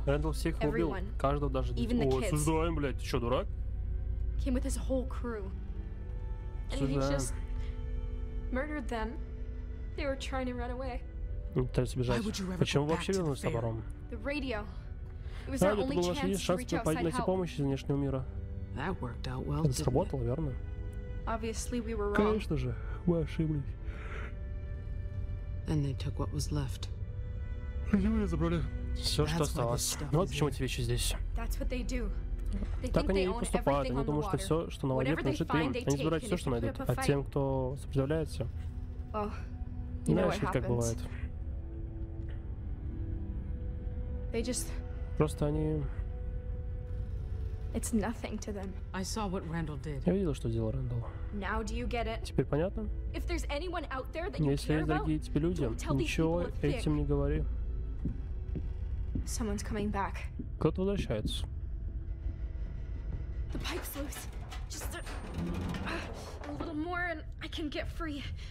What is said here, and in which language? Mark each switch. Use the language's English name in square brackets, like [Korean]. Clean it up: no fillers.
[Russian] Randall всех [English] Everyone. [Russian] Убил. Каждого даже. [English] Even the kids. [Russian] О, осуждаем, блядь, ты что, дурак? [English] Came with his whole crew. And he just murdered them. They were trying to run away. [Russian] Пытались убежать. Почему вообще вернулись на паром? [English] The radio. It was our only chance to reach outside help. [Russian] Помощь из внешнего мира. [English] That worked out well. [Russian] Это сработало, верно? [English] Obviously we were wrong. [Russian] Конечно же, мы ошиблись. [English] And they took what was left. [Russian] Люди забрали все, что осталось. Ну вот почему эти вещи здесь. [English] That's what they do. [Russian] Так они и поступают, они думают, что все, что на воде, принадлежит им. Они забирают все, что найдут, а тем, кто сопротивляется. Знаешь, как бывает. Просто они... [English] It's nothing to them. I saw what Randall did. [Russian] Я видел, что сделал Рэндалл. [English] Now do you get it? [Russian] Теперь понятно? [English] If there's anyone out there that you care about, don't tell these people a thing. [Russian] Ничего этим не говори. [English] Someone's coming back. [Russian] Кто-то возвращается. [English] The pipe's loose. Just a little more and I can get free.